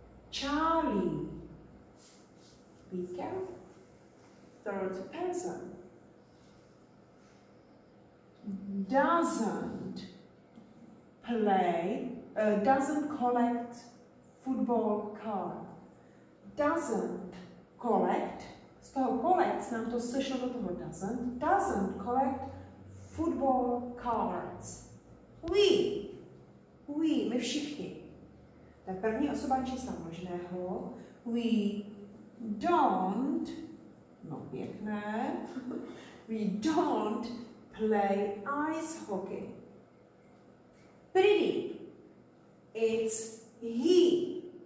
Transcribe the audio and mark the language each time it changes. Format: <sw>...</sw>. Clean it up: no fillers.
<en>Charlie, be careful, third person, doesn't play, doesn't collect football card. Doesn't collect,</en> <cs>z toho</cs> <en>collect,</en> <cs>nám to sešlo do toho</cs> <en>doesn't, doesn't collect football cards. We,</en> <cs>my všichni. To je první osoba čísla možného.</cs> <en>We don't,</en> <cs>no pěkné,</cs> <en>we don't play ice hockey. Pretty. It's he.</en>